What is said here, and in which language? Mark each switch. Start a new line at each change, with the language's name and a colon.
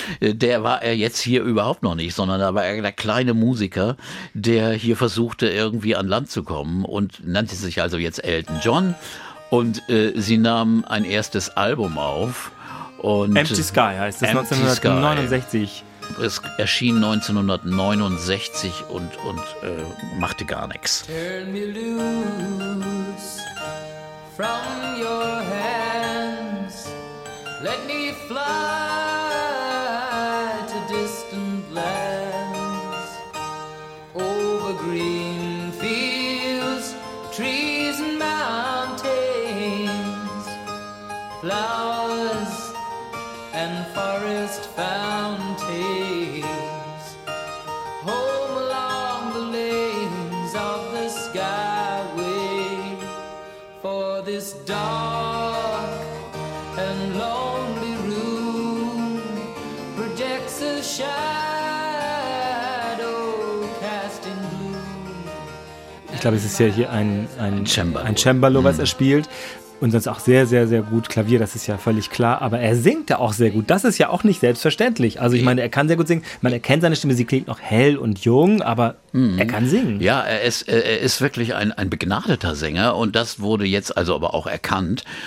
German: Der war er jetzt hier überhaupt noch nicht, sondern da war er der kleine Musiker, der hier versuchte irgendwie an Land zu kommen und nannte sich also jetzt Elton John. Und sie nahm ein erstes Album auf. Und Empty Sky heißt es, 1969.
English: Sky.
German: Es erschien 1969 und machte gar nichts.
English: Turn me loose from your hands. Let me fly to distant lands. Over green fields, trees and mountains. Flowers and forest fountains, home along the lanes of the skyway, for this dark and lonely room projects a shadow casting gloom.
German: Ich glaube, es ist ja hier ein Cembalo, was er spielt. Und sonst auch sehr, sehr, sehr gut Klavier, das ist ja völlig klar. Aber er singt ja auch sehr gut. Das ist ja auch nicht selbstverständlich. Also ich meine, er kann sehr gut singen. Man erkennt seine Stimme, sie klingt noch hell und jung, aber er kann singen. Ja, er ist wirklich ein begnadeter Sänger und das wurde jetzt also aber auch erkannt.